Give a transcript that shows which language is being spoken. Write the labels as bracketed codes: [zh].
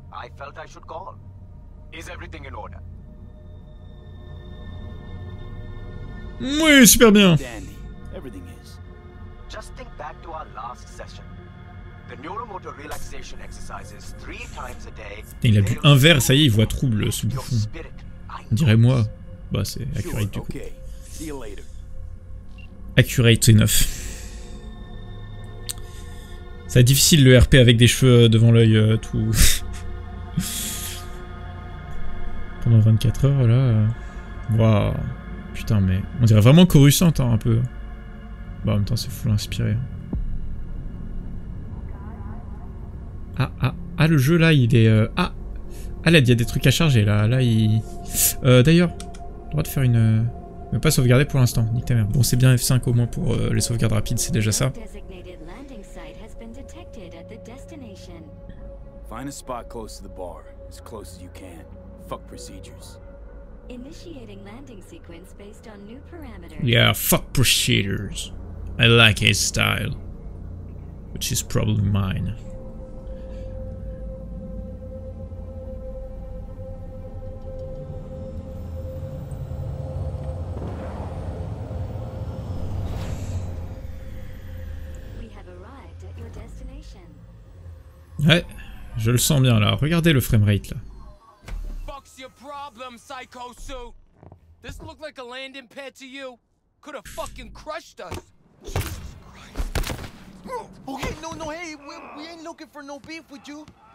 [en] I felt I should call. Is everything in order? [fr] Oui, super bien. [en] Dandy. Everything is. Just think back to our last session. The neuromotor relaxation exercises three times a day. [fr] Il a bu un verre, ça y est, il voit trouble ce bouffon. Dirais moi. Bah c'est accurate du coup. Accurate enough. C'est difficile le RP avec des cheveux devant l'œil tout. Pendant 24 heures là. Waouh. Putain mais. On dirait vraiment Coruscant, hein, un peu. Bon, en même temps, c'est fou inspiré. Le jeu là, il est. Il y a des trucs à charger là. D'ailleurs, droit de faire une. Mais pas sauvegarder pour l'instant, nique ta mère. Bon, c'est bien F5 au moins pour les sauvegardes rapides, c'est déjà ça. [en] Find a spot close to the bar, as close as you can. Fuck procedures. Initiating landing sequence based on new parameters. Yeah, fuck procedures. I like his style. Which is probably mine. We have arrived at your destination. Ouais. [fr] Je le sens bien là, regardez le framerate là. [en] Fox your problem, psycho suit. This looked like a landing pad to you. Could have fucking crushed us. Jesus Christ. Okay, no, no, hey, we ain't looking for no beef with you.